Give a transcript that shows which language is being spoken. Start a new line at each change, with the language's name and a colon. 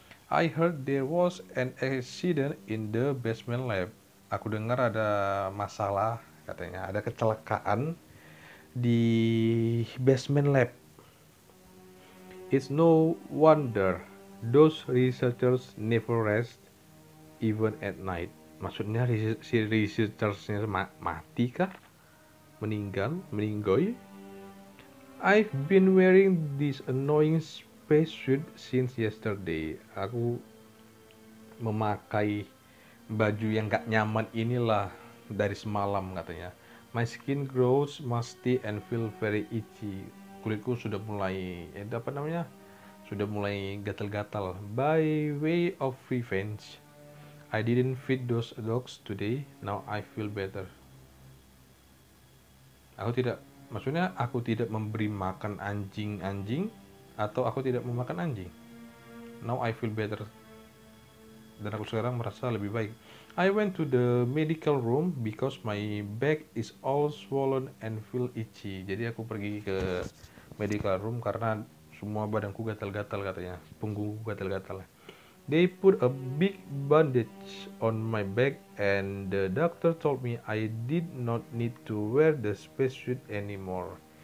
English: I heard there was an accident in the basement lab.
Indonesian: Aku dengar ada masalah katanya, ada kecelakaan di basement lab.
English: It's no wonder those researchers never rest even at night.
Indonesian: Maksudnya si researchersnya mati kah? Meninggal?
English: I've been wearing this annoying space suit since yesterday.
Indonesian: Aku memakai baju yang gak nyaman inilah dari semalam katanya.
English: My skin grows musty and feel very itchy.
Indonesian: Kulitku sudah mulai, sudah mulai gatal-gatal.
English: By way of revenge, I didn't feed those dogs today. Now I feel better.
Indonesian: Aku tidak memberi makan anjing-anjing, atau aku tidak memakan anjing.
English: Now I feel better.
Indonesian: Dan aku sekarang merasa lebih baik.
English: I went to the medical room because my back is all swollen and feel itchy.
Indonesian: Jadi aku pergi ke medical room karena semua badanku gatal-gatal katanya. Punggungku gatal-gatal.
English: They put a big bandage on my back and the doctor told me I did not need to wear the spacesuit anymore.